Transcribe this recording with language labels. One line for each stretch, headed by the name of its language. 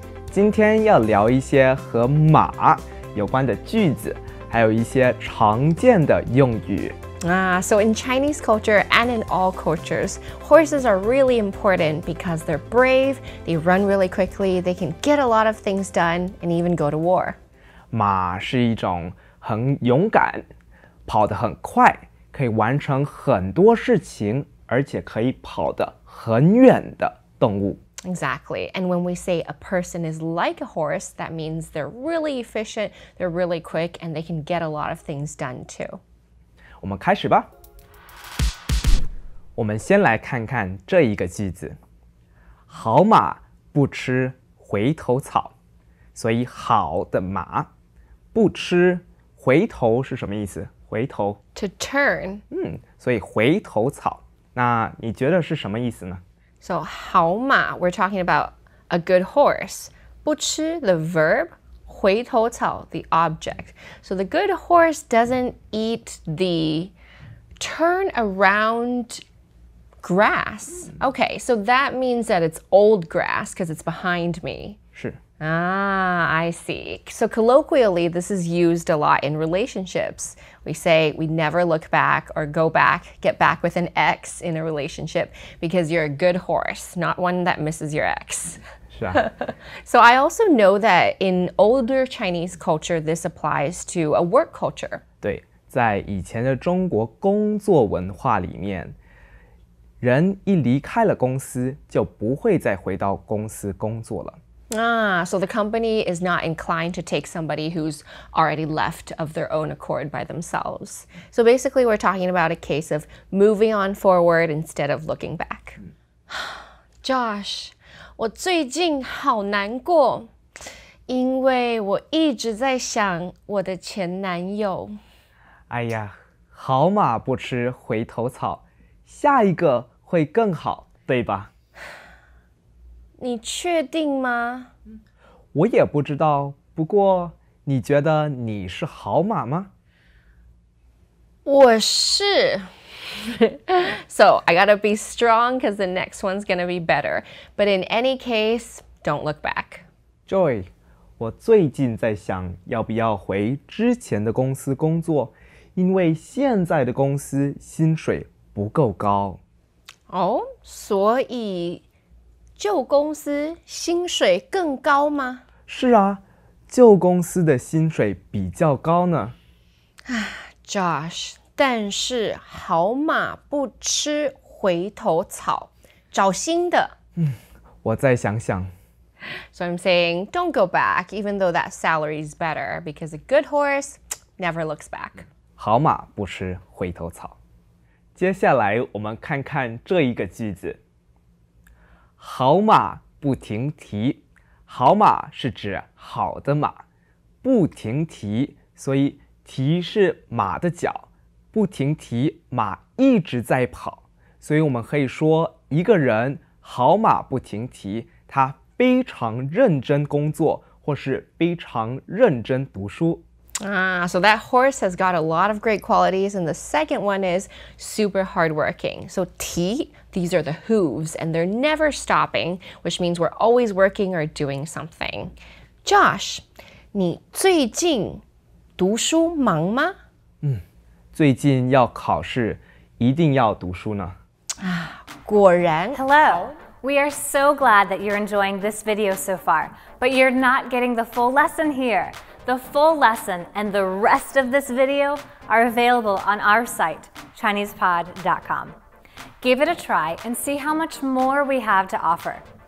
Chinese: 今天要聊一些和马有关的句子，还有一些常见的用语。
English: So in Chinese culture and in all cultures, horses are really important because they're brave, they run really quickly, they can get a lot of things done, and even go to war.
Chinese: 马是一种很勇敢，跑得很快，可以完成很多事情，而且可以跑得很远的动物。
English: Exactly. And when we say a person is like a horse, that means they're really efficient, they're really quick, and they can get a lot of things done too.
Chinese: 我们开始吧。我们先来看看这一个句子。好马不吃回头草。所以好的马不吃回头是什么意思？回头。
English: To turn.
Chinese: 所以回头草。那你觉得是什么意思呢？
English: So, 好马, we're talking about a good horse. 不吃, the verb, 回头草, the object. So, the good horse doesn't eat the turn around grass. Okay, so that means that it's old grass because it's behind me.
Chinese: 是。
English: I see. So, colloquially, this is used a lot in relationships. We say we never look back or go back, get back with an ex in a relationship because you're a good horse, not one that misses your ex.
Chinese: 是啊。
English: So, I also know that in older Chinese culture, this applies to a work culture.
Chinese: 对，在以前的中国工作文化里面，人一离开了公司，就不会再回到公司工作了。
English: So the company is not inclined to take somebody who's already left of their own accord by themselves. So basically, we're talking about a case of moving on forward instead of looking back.
Chinese: Josh, 我最近好难过，因为我一直在想我的前男友。哎呀，好马不吃回头草，下一个会更好，对吧？你确定吗？我也不知道，不过你觉得你是好马吗？我是。
English: So, I gotta be strong because the next one's gonna be better. But in any case, don't look back.
Chinese: Joy, 我最近在想要不要回之前的公司工作，因为现在的公司薪水不够高。所以旧公司薪水更高吗？是啊，旧公司的薪水比较高呢。 Josh, 但是好马不吃回头草，找新的。我再想想。
English: So I'm saying, don't go back, even though that salary is better, because a good horse never looks back.
Chinese: 好马不吃回头草。接下来我们看看这一个句子。好马不停蹄，好马是指好的马，不停蹄，所以蹄是马的脚，不停蹄，马一直在跑，所以我们可以说一个人好马不停蹄，他非常认真工作，或是非常认真读书。
English: So that horse has got a lot of great qualities, and the second one is super hardworking. So ti, these are the hooves, and they're never stopping, which means we're always working or doing something.
Chinese: Josh, 你最近读书忙吗？最近要考试，一定要读书呢。果然。
English: Hello, we are so glad that you're enjoying this video so far, but you're not getting the full lesson here. The full lesson and the rest of this video are available on our site, ChinesePod.com. Give it a try and see how much more we have to offer.